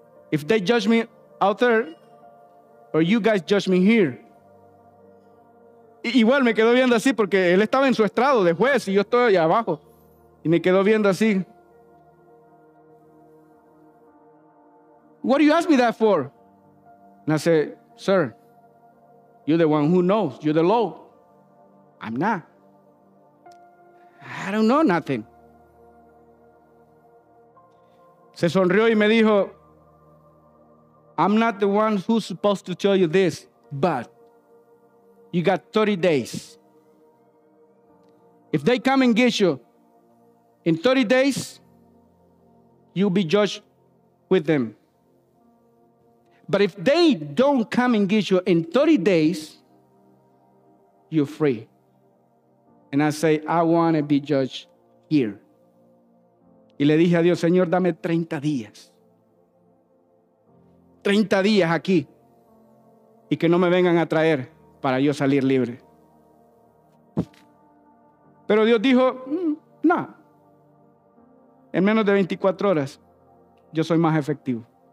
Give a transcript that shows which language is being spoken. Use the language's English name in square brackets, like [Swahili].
[English] If they judge me out there, or you guys judge me here. [Spanish] Igual me quedó viendo así porque él estaba en su estrado de juez y yo estoy allá abajo. Y me quedó viendo así. [English] What do you ask me that for? And I said, sir, you're the one who knows. You're the law. I'm not. I don't know nothing. [Spanish] Se sonrió y me dijo, [English] I'm not the one who's supposed to tell you this, but you got 30 days. If they come and get you, in 30 days, you'll be judged with them. But if they don't come and get you in 30 days, you're free. And I say, I want to be judged here. [Spanish] Y le dije a Dios, Señor, dame 30 días. 30 días aquí. Y que no me vengan a traer para yo salir libre. Pero Dios dijo, no. En menos de 24 horas, yo soy más efectivo.